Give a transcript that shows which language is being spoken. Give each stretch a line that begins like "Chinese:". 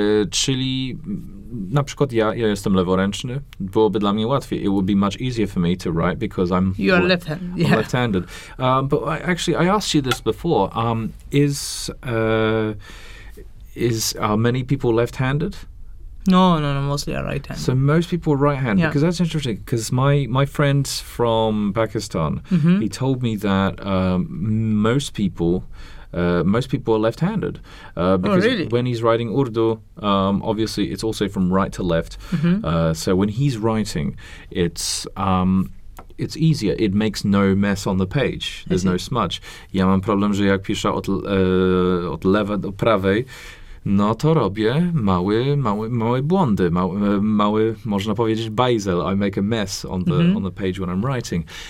Polish: Czyli na przykład ja jestem leworęczny. Byłoby dla mnie łatwiej.
English: It would be much easier for me to write because I'm... You are left-handed. Yeah. Left-handed. But I asked you this before. Are many people left-handed? No, mostly are right-handed. So most people are right-handed. Yeah. Because that's interesting, because my friend from Pakistan, mm-hmm. he told me that most people are left-handed. Because when he's writing Urdu, obviously it's also from right to left. Mm-hmm. So when he's writing, it's easier. It makes no mess on the page. There's no smudge.
Polish: Ja mam problem, że jak piszę od lewa do prawej, no to robię małe błądy, małe można powiedzieć bajzel.
English: I make a mess on the mm-hmm. on the page when I'm writing.